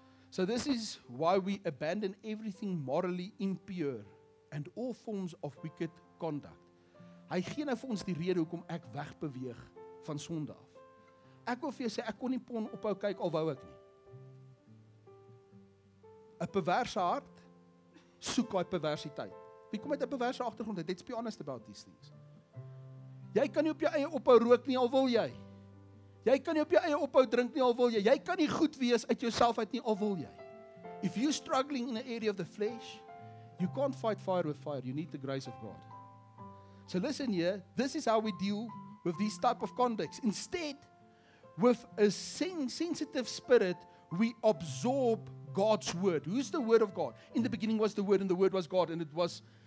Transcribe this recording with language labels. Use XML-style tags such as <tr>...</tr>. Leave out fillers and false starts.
<en>So this is why we abandon everything morally impure and all forms of wicked conduct.</en> <af>Hy gee nou vir ons die rede hoekom ek wegbeweeg van sonde af. Ek wil vir jou sê, ek kon nie pon ophou kyk al wou ek nie. 'n Perverse hart soek daai perversiteit. Wie kom met 'n perverse agtergrond?</af> <en>Let's be honest about these things.</en> <af>Jy kan nie op jou eie ophou rook nie al wil jy. Jy kan nie op jou eie ophou drink nie al wil jy. Jy kan nie goed wees uit jouself uit nie al wil jy.</af> <en>If you're struggling in an area of the flesh, you can't fight fire with fire. You need the grace of God. So listen here, this is how we deal with these type of conducts. Instead, with a sensitive spirit, we absorb God's word. Who's the word of God? In the beginning was the word, and the word was God, and it was</en>